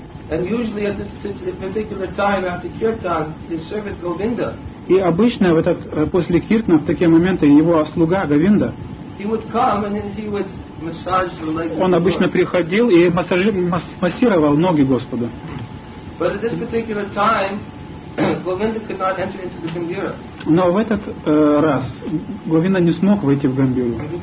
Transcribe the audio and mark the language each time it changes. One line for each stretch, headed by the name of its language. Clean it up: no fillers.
English: And usually at this particular time after kirtan, his servant Govinda.
Russian: И обычно в этот после киртана в такие моменты его слуга Говинда.
English: He would come and then he would massage the legs.
Russian: Он обычно приходил и массировал ноги Господа.
English: But at this particular time, Govinda could not enter into the Gambira.
Russian: Но в этот раз Говинда не смог войти в Гамбиру.